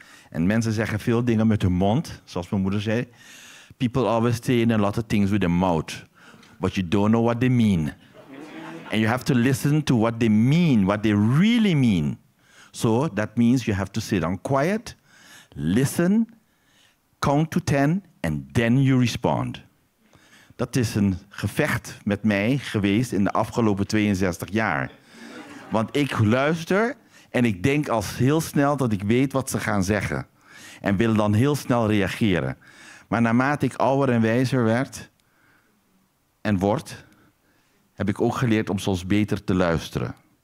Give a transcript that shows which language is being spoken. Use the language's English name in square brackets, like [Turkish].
[Dutch] En mensen zeggen veel dingen met hun mond, zoals mijn moeder zei. [English] People always say a lot of things with their mouth. But you don't know what they mean. And you have to listen to what they mean, what they really mean. So that means you have to sit down quiet, listen, count to 10, and then you respond. [Dutch] Dat is een gevecht met mij geweest in de afgelopen 62 jaar. Want ik luister en ik denk al heel snel dat ik weet wat ze gaan zeggen. En wil dan heel snel reageren. Maar naarmate ik ouder en wijzer werd en word, heb ik ook geleerd om soms beter te luisteren.